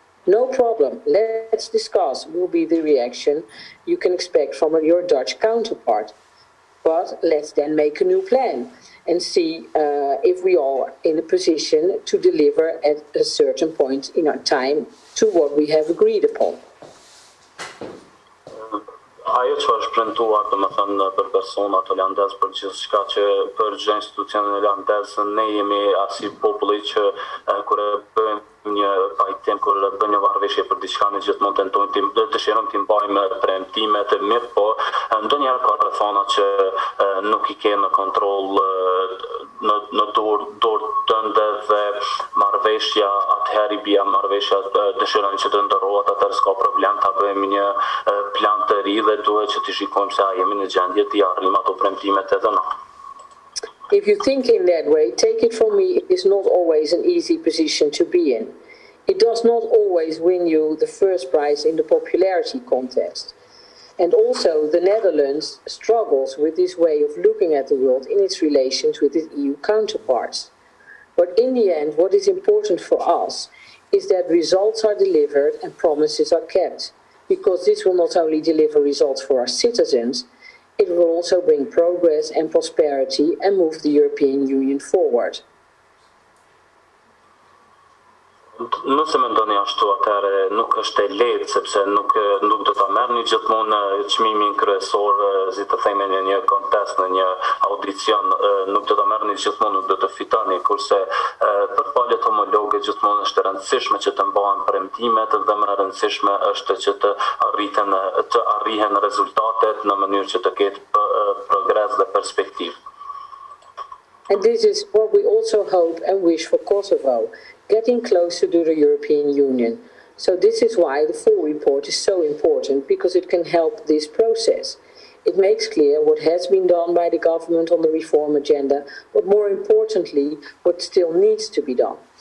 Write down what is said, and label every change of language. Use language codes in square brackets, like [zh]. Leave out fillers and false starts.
[en] No problem, let's discuss, will be the reaction you can expect from your Dutch counterpart. But let's then make a new plan and see if we are in a position to deliver at a certain point in our time to what we have agreed upon. [sq] Ajo që është premtuar, domethënë për personat holandez, për gjithçka që për gjithë institucionin holandez, ne jemi si populli që kur e bëjmë një pajtim, kur e bëjmë një marrëveshje për diçka, ne gjithmonë tentojmë, dëshirojmë të mbajmë premtimet e mirë, po ndonjëherë ka rrethana që nuk i kemë kontroll në dorë tënde dhe marrëveshja atëherë i bia marrëveshja dëshirojnë që të ndërrohet, atëherë s'ka problem ta bëjmë një plan të ri dhe duhet që të shikojmë se a jemi në gjendje të arrijmë ato premtimet edhe na. [en] If you think in that way, take it from me, it is not always an easy position to be in. It does not always win you the first prize in the popularity contest. And also, the Netherlands struggles with this way of looking at the world in its relations with its EU counterparts. But in the end, what is important for us is that results are delivered and promises are kept, because this will not only deliver results for our citizens, it will also bring progress and prosperity and move the European Union forward. [sq] Nëse më ndoni ashtu, atëherë nuk është e lehtë, sepse nuk do ta merrni gjithmonë çmimin kryesor, si të themi, në një kontest, në një audicion, nuk do ta merrni gjithmonë, nuk do të fitoni, kurse për palët homologe gjithmonë është e rëndësishme që të mbahen premtimet, dhe më e rëndësishme është që të arrihen rezultatet në mënyrë që të ketë progres dhe perspektivë. [en] And this is what we also hope and wish for Kosovo, getting closer to the European Union. So this is why the full report is so important, because it can help this process. It makes clear what has been done by the government on the reform agenda, but more importantly, what still needs to be done.